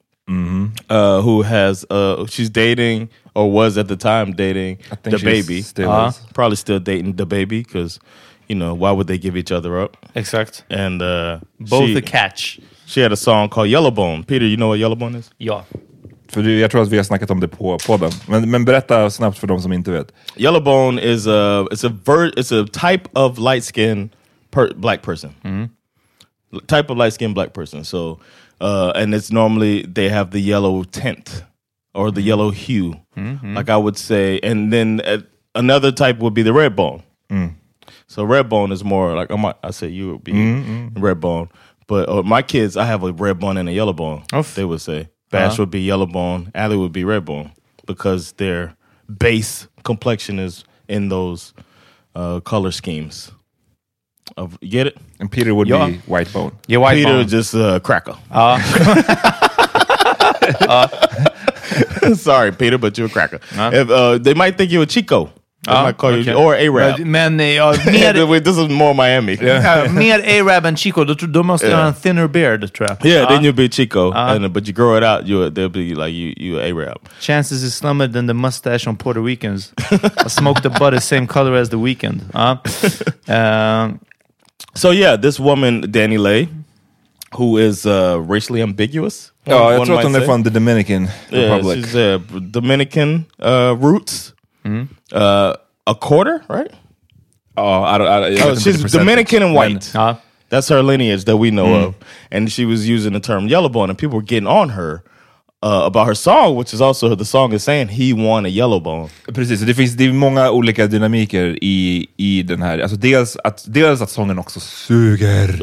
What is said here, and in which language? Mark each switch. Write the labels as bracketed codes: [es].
[en] Mm-hmm. Who has she's dating or was at the time dating the baby? Probably still dating the baby because you know why would they give each other up? Exact. And both the catch. She had a song called Yellow Bone. Peter, you know what Yellow Bone is? Yeah. [sv] För du, jag tror att vi har snackat om det på podden. Men berätta snabbt för dem som inte vet. [en] Yellow Bone is it's a type of light skin black person. Mm-hmm. Type of light skin black person. So. And it's normally they have the yellow tint or the yellow hue, like I would say. And then another type would be the red bone. Mm. So red bone is more like, I say you would be red bone. But my kids, I have a red bone and a yellow bone, they would say. Bash would be yellow bone. Ali would be red bone because their base complexion is in those color schemes. Of get it? And Peter would be white bone. Yeah, white Peter bone. Peter just cracker. Sorry, Peter, but you're a cracker. They might think you're a Chico. They might call you or A-Rab. [sv] Men, [en] this is more Miami. [sv] Mer A-Rab and Chico. Du måste ha en [en] thinner beard, [sv] tror jag. [en] Yeah, then you'll be Chico. But you grow it out, they'll be like, you A-Rab. Chances is slimmer than the mustache on Puerto Ricans. I smoke the butt the same color as the weekend. So yeah, this woman, Dani Leigh, who is racially ambiguous. Oh, I thought they're from the Dominican Republic. Yeah, she's a Dominican roots. Mm-hmm. A quarter, right? Oh, she's Dominican and white. Uh-huh. That's her lineage that we know of. And she was using the term yellow bone, and people were getting on her about her song, which is also the song is saying he won a yellow bone. [sv] Precis, det finns många olika dynamiker i den här. Alltså dels att sången också suger.